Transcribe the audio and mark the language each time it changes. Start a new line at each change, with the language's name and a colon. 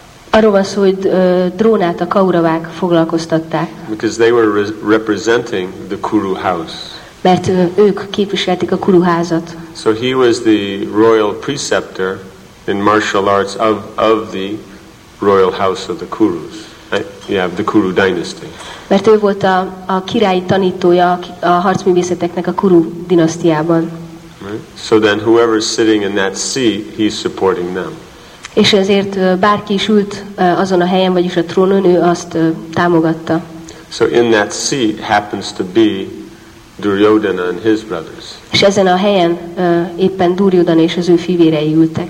Hungarian: Arról van szó, hogy Drónát a Kauravák foglalkoztatták.
English: Because they were representing the Kuru house.
Hungarian: Mert ők képviselték a Kuru házat.
English: So he was the royal preceptor in martial arts of the royal house of the Kurus. Yeah, the Kuru dynasty.
Hungarian: Mert ő volt a király tanítója a harcművészeteknek a Kuru dinasztiában.
English: Right. So then whoever is sitting in that seat, he's supporting them.
Hungarian: És ezért bárki is ült azon a helyen, vagyis a trónon, ő azt támogatta.
English: So in that seat happens to be Duryodhana and his brothers.
Hungarian: És ezen a helyen éppen Duryodhana és az ő fivérei ültek.